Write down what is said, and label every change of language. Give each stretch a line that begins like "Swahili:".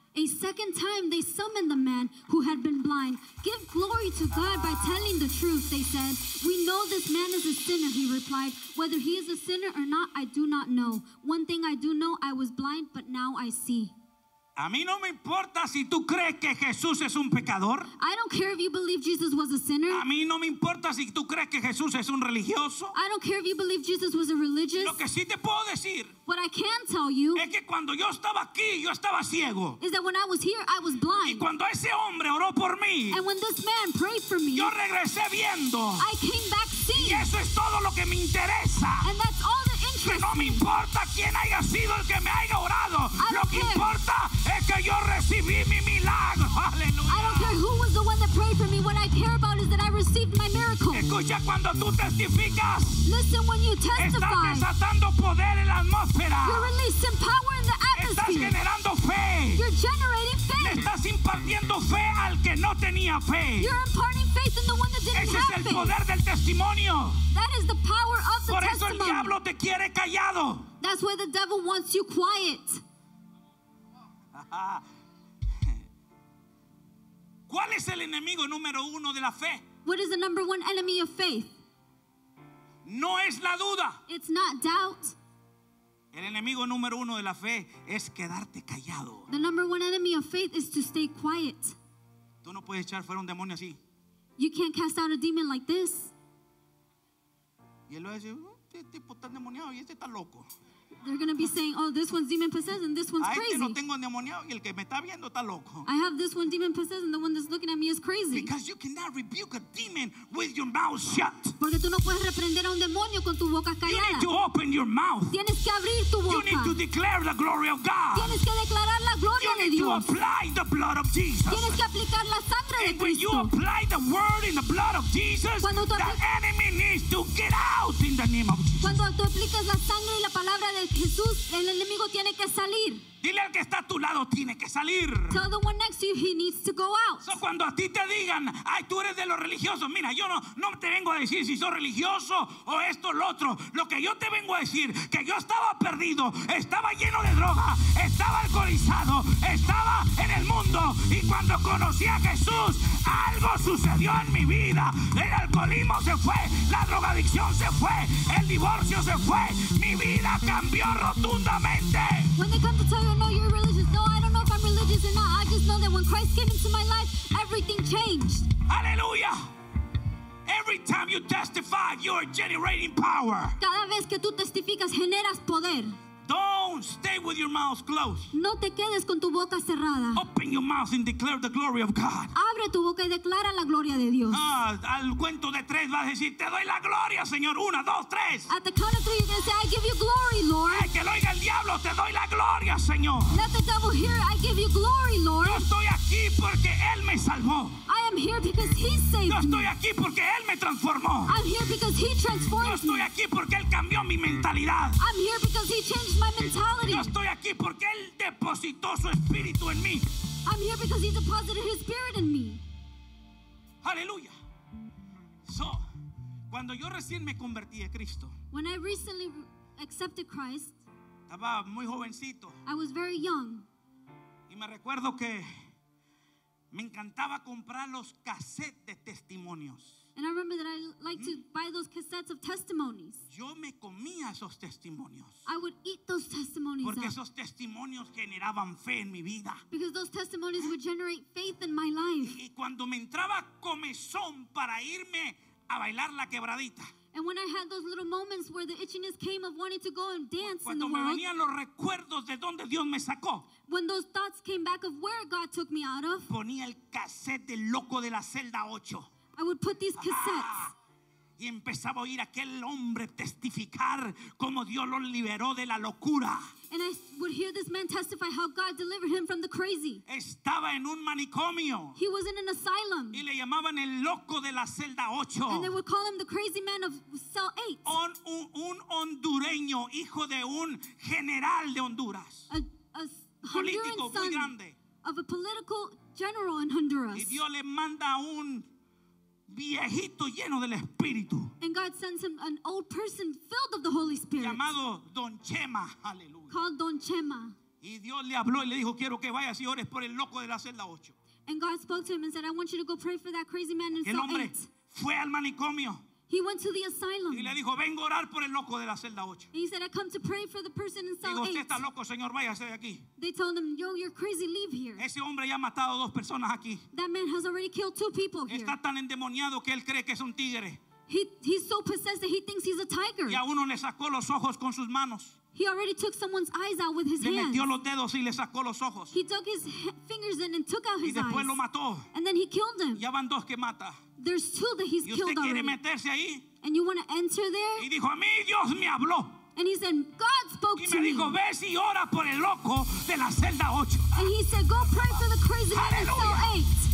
English: A second time they summoned the man who had been blind. Give glory to God by telling the truth, they said. We know this man is a sinner, he replied. Whether he is a sinner or not, I do not know. One thing I do know, I was blind, but now I see.
Spanish: A mí no me importa si tú crees que Jesús es un pecador.
English: I don't care if you believe Jesus was a sinner.
Spanish: A mí no me importa si tú crees que Jesús es un religioso.
English: I don't care if you believe Jesus was a religious.
Spanish: Lo que sí te puedo decir.
English: What I can tell you.
Spanish: Es que cuando yo estaba aquí, yo estaba ciego.
English: Is that when I was here, I was blind.
Spanish: Y cuando ese hombre oró por mí.
English: And when this man prayed for me.
Spanish: Yo regresé viendo.
English: I came back seeing.
Spanish: Y eso es todo lo que me interesa.
English: And that's all that interests me.
Spanish: Que no me importa quién haya sido el que me haya orado. Lo que importa es que yo recibí mi milagro. Aleluya.
English: I don't care who was the one that prayed for me. What I care about is that I received my miracle.
Spanish: Escucha cuando tú testificas.
English: Listen when you testify.
Spanish: Estás desatando poder en la atmósfera.
English: You're releasing power in the atmosphere.
Spanish: Estás generando fe.
English: You're generating faith.
Spanish: Le estás impartiendo fe al que no tenía fe.
English: You're imparting faith in the one that didn't
Spanish: Ese
English: have faith.
Spanish: Ese es el poder del testimonio.
English: That is the power of the
Spanish: Por eso
English: testimony.
Spanish: El diablo te quiere callado.
English: That's why the devil wants you quiet.
Spanish: ¿Cuál es el enemigo número uno de la fe?
English: What is the number one enemy of faith?
Spanish: No es la duda.
English: It's not doubt.
Spanish: El enemigo número uno de la fe es quedarte callado.
English: The number one enemy of faith is to stay quiet.
Spanish: Tú no puedes echar fuera un demonio así.
English: You can't cast out a demon like this.
Spanish: Y él va a decir, este tipo está endemoniado y este está loco.
English: They're going to be saying, oh, this one's demon possessed and this one's crazy.
Spanish: A este no tengo endemoniado y el que me está viendo está loco.
English: I have this one demon possessed and the one that's looking at me is crazy. Because you cannot rebuke a demon with your mouth shut.
Spanish: Porque tú no puedes reprender a un demonio con tu boca callada.
English: You need to open your mouth.
Spanish: Tienes que abrir tu boca.
English: You need to declare the glory of God.
Spanish: Tienes que declarar la gloria de Dios.
English: You need to apply the blood of Jesus.
Spanish: Tienes que aplicar la sangre de Cristo.
English: And when you apply the word in the blood of Jesus, the enemy needs to get out in the name of Jesus.
Spanish: Cuando tú aplicas la sangre y la palabra de Jesús, el enemigo tiene que salir. Dile al que está a tu lado, tiene que salir.
English: Tell the one next to you, he needs to go out.
Spanish: So cuando a ti te digan, ay, tú eres de los religiosos, mira, yo no te vengo a decir si sos religioso o esto o lo otro. Lo que yo te vengo a decir, que yo estaba perdido, estaba lleno de droga, estaba alcoholizado, estaba en el mundo, y cuando conocí a Jesús, algo sucedió en mi vida. El alcoholismo se fue, la drogadicción se fue, el divorcio se fue, mi vida cambió rotundamente.
English: When they come to tell you, no, you're religious. No, I don't know if I'm religious or not. I just know that when Christ came into my life, everything changed. Hallelujah. Every time you testify, you're generating power.
Spanish: Cada vez que tú testificas, generas poder.
English: Don't stay with your mouth closed.
Spanish: No te quedes con tu boca cerrada.
English: Open your mouth and declare the glory of God.
Spanish: Abre tu boca y declara la gloria de Dios. Al cuento de tres vas a decir, te doy la gloria, Señor. Una, dos, tres.
English: At the count of three, you're going to say, I give you glory, Lord.
Spanish: Ay, que lo oiga el diablo, te doy la gloria, Señor.
English: Let the devil hear, I give you glory, Lord.
Spanish: Yo estoy aquí porque Él me salvó.
English: I am here because He saved me.
Spanish: Yo estoy aquí porque Él me transformó.
English: I'm here because He transformed me.
Spanish: Yo estoy aquí porque Él cambió mi mentalidad.
English: I'm here because He changed my mentality.
Spanish: Yo estoy aquí porque Él depositó su espíritu en mí.
English: I'm here because He deposited His spirit in me.
Spanish: Aleluya. So, cuando yo recién me convertí a Cristo,
English: when I recently accepted Christ,
Spanish: estaba muy jovencito.
English: I was very young.
Spanish: Y me recuerdo que me encantaba comprar los cassettes de testimonios.
English: And I remember that I liked to buy those cassettes of testimonies.
Spanish: Yo me comía esos testimonios.
English: I would eat those testimonies.
Spanish: Porque esos testimonios generaban fe en mi vida.
English: Because those testimonies would generate faith in my life.
Spanish: Y cuando me entraba comezón para irme a bailar la quebradita.
English: And when I had those little moments where the itchiness came of wanting to go and dance in the world.
Spanish: Cuando me venían los recuerdos de donde Dios me sacó.
English: When those thoughts came back of where God took me out of.
Spanish: Ponía el cassette del loco de la celda 8.
English: I would put these cassettes.
Spanish: Y empezaba a oír aquel hombre testificar cómo Dios lo liberó de la locura.
English: And I would hear this man testify how God delivered him from the crazy.
Spanish: Estaba en un manicomio.
English: He was in an asylum.
Spanish: Y le llamaban el loco de la celda 8.
English: And they would call him the crazy man of cell 8.
Spanish: Un hondureño, hijo de un general de Honduras.
English: A Honduran
Spanish: político muy grande.
English: Of a political general in Honduras.
Spanish: Y Dios le manda a un viejito lleno del Espíritu.
English: And God sends him an old person filled of the Holy Spirit.
Spanish: Llamado Don Chema. Hallelujah.
English: Called Don Chema.
Spanish: Y Dios le habló y le dijo, quiero que vayas y ores por el loco de la celda 8.
English: And God spoke to him and said, I want you to go pray for that crazy man in cell 8.
Spanish: El hombre fue al manicomio.
English: He went to the asylum.
Spanish: Y le dijo, vengo a orar por el loco de la celda 8.
English: And he said, I come to pray for the person in cell 8.
Spanish: Dijo, usted está loco, señor, váyase de aquí.
English: They told him, yo, you're crazy, leave here.
Spanish: Ese hombre ya ha matado dos personas aquí.
English: That man has already killed two people here.
Spanish: Está tan endemoniado que él cree que es un tigre.
English: He's so possessed that he thinks he's a tiger.
Spanish: Y a uno le sacó los ojos con sus manos.
English: He already took someone's eyes out with his
Spanish: le
English: hands.
Spanish: Metió los dedos y le sacó los ojos.
English: He took his fingers in and took out his
Spanish: y después
English: eyes.
Spanish: Lo mató.
English: And then he killed him.
Spanish: Ya van dos que mata.
English: There's two that he's
Spanish: y usted
English: killed
Spanish: quiere
English: already.
Spanish: Meterse ahí.
English: And you want to enter there?
Spanish: Y dijo, a mí Dios me habló.
English: And he said, God spoke
Spanish: y me
English: to
Spanish: dijo,
English: me.
Spanish: Ves y ora por el loco de la celda 8.
English: And he said, go pray for the crazy man in cell 8.